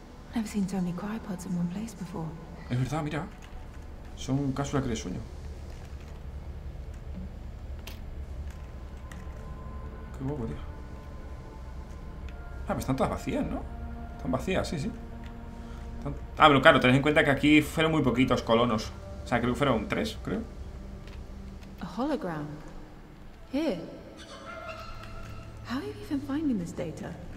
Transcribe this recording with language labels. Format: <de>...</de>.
<en>I've never seen so many cryopods in one place before.</en> <es>Es verdad, mira. Son cápsulas que le sueño. Qué guapo, tío. Ah, pero están todas vacías, ¿no? Están vacías, sí, sí. Ah, pero claro, tened en cuenta que aquí fueron muy poquitos colonos. O sea, creo que fueron tres, creo.</es> <en>A hologram. Here. How are you even finding this data?</en>